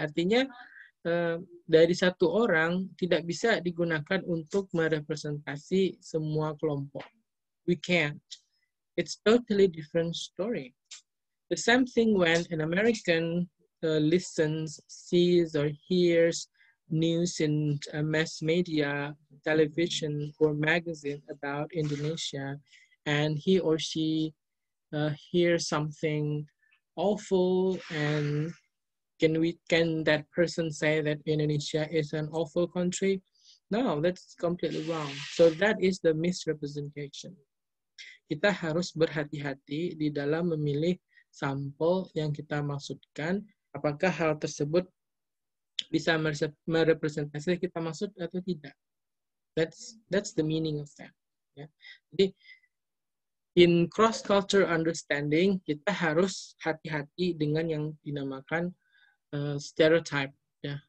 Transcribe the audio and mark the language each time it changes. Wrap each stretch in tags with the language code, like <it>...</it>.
<id>Artinya, dari satu orang tidak bisa digunakan untuk merepresentasi semua kelompok.</id> <en>We can't. It's totally different story. The same thing when an American listens, sees, or hears news in mass media, television, or magazine about Indonesia, and he or she hears something awful, and can that person say that Indonesia is an awful country? No, that's completely wrong. So that is the misrepresentation.</en> <id>Kita harus berhati-hati di dalam memilih sampel yang kita maksudkan. Apakah hal tersebut bisa merepresentasi kita maksud atau tidak?</id> <en>That's the meaning of that.</en> <id>Ya. Jadi,</id> <en>in cross-culture understanding,</en> <id>kita harus hati-hati dengan yang dinamakan stereotype. Ya.</id>